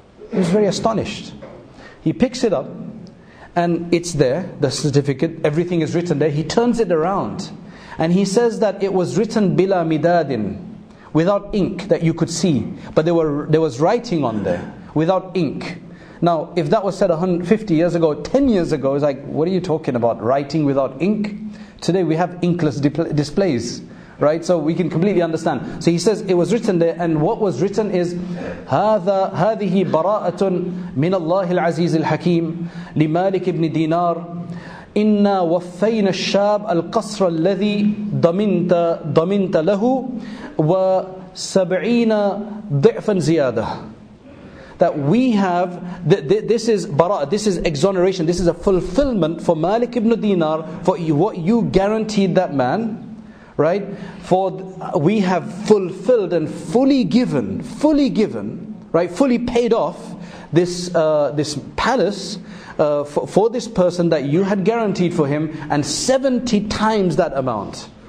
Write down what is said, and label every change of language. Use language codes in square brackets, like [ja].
[en] He was very astonished. He picks it up, and it's there, the certificate, everything is written there. He turns it around, and he says that it was written bila midadin, without ink that you could see, but there was writing on there without ink. Now, if that was said 150 years ago, 10 years ago, it's like, what are you talking about? Writing without ink? Today we have inkless displays, right? So we can completely understand. So he says it was written there, and what was written is, [ar] هَذِهِ بَرَاءَةٌ مِنَ اللَّهِ الْعَزِيزِ الْحَكِيمِ لِمَالِكِ ابْنِ دِينَارِ إِنَّا وَفَّيْنَ الشَّابَ الْقَصْرَ الَّذِي ضَمِنْتَ لَهُ وَسَبْعِينَ ضِعْفًا زِيَادَةً. [en] That we have, this is bara'ah, this is exoneration, this is a fulfillment for Malik ibn Dinar, for what you guaranteed that man, right? For we have fulfilled and fully given, right? Fully paid off this palace for this person that you had guaranteed for him, and 70 times that amount.